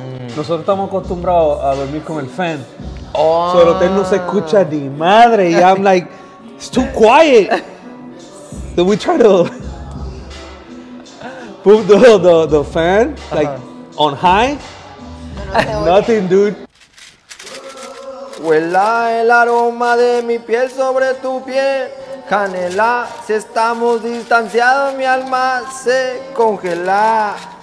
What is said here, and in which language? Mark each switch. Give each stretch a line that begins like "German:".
Spanish: Nosotros estamos acostumbrados a dormir con el fan. Oh. So el hotel no se escucha ni madre.
English: Y I'm like, it's too quiet. Then we try to put the fan like on high. Nothing, dude.
Spanish: Huela el aroma de mi piel sobre tu piel. Canela, si estamos distanciados, mi alma se congela.